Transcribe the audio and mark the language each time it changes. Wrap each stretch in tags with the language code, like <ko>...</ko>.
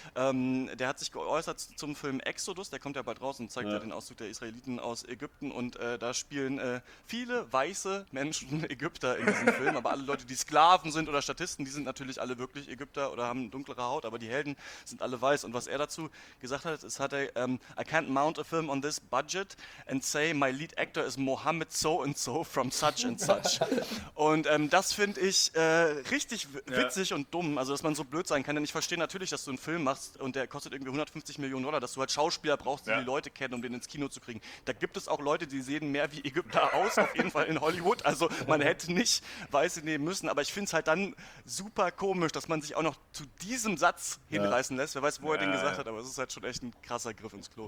<de>Der hat sich geäußert zum Film Exodus. Der kommt ja bald raus und zeigt ja den Auszug der Israeliten aus Ägypten. Und da spielen viele weiße Menschen Ägypter in diesem Film. Aber alle Leute, die Sklaven sind oder Statisten, die sind natürlich alle wirklich Ägypter oder haben dunklere Haut. Aber die Helden sind alle weiß. Und was er dazu gesagt hat, ist,</de> <en>I can't mount a film on this budget and say my lead actor is Mohammed so-and-so from such and such.</en> <de>Und das finde ich richtig witzig und dumm, also dass man so blöd sein kann, denn ich verstehe natürlich, dass du einen Film machst und der kostet irgendwie 150 Millionen Dollar, dass du halt Schauspieler brauchst, die Leute kennen, um den ins Kino zu kriegen. Da gibt es auch Leute, die sehen mehr wie Ägypter aus, auf jeden Fall in Hollywood, also man hätte nicht Weiße nehmen müssen, aber ich finde es halt dann super komisch, dass man sich auch noch zu diesem Satz hinreißen lässt, wer weiß, wo er den gesagt hat, aber es ist halt schon echt ein krasser Griff ins Klo.</de>